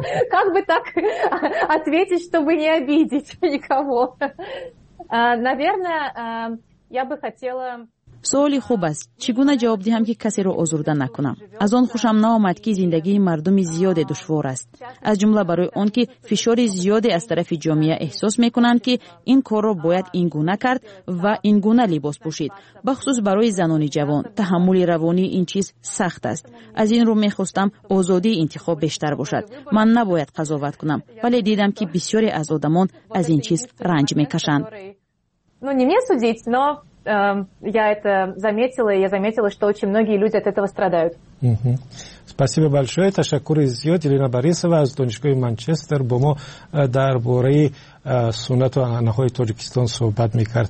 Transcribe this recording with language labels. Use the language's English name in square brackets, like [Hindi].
[Russian] Как бы так ответить, чтобы не обидеть никого? Наверное, я бы хотела... [Tajik] Суоли хуб аст. Чигуна ҷавоб диҳам, ки касеро озурда накунам? Аз он хушам наомад, ки зиндагии мардуми зиёде душвор аст. Аз ҷумла барои он, ки фишори зиёде аз тарафи ҷомеа эҳсос мекунанд, ки ин корро бояд ин гуна кард ва ин гуна либос пушид. Бахусус барои занони ҷавон, таҳаммули равонии ин чиз сахт аст. Аз ин рӯ мехостам озодии интихоб бештар бошад. Ман набояд қазоват кунам, вале дидам, ки бисёре аз одамон аз ин чиз ранҷ мекашанд. [Russian] Ну, не мне судить, но я это заметила, и я заметила, что очень многие люди от этого страдают. Спасибо большое. [Tajik] Ташаккур изъёт Елена Борисова из Донечкой Манчестер. Бомо дар бораи суннату анъанаҳои Тоҷикистон соҳбат мекард.